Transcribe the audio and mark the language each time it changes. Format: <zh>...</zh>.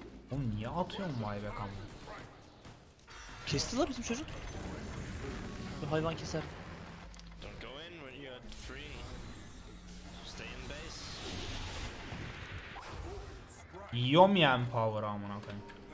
<tr>Oğlum niye atıyorsun buyback amına? Kesti lan bizim çocuk. Bir hayvan keser.</tr> <en>Don't go in when you're at three. Stay in base.</en> <tr>Yiyorum ya empower amına koyayım.</tr>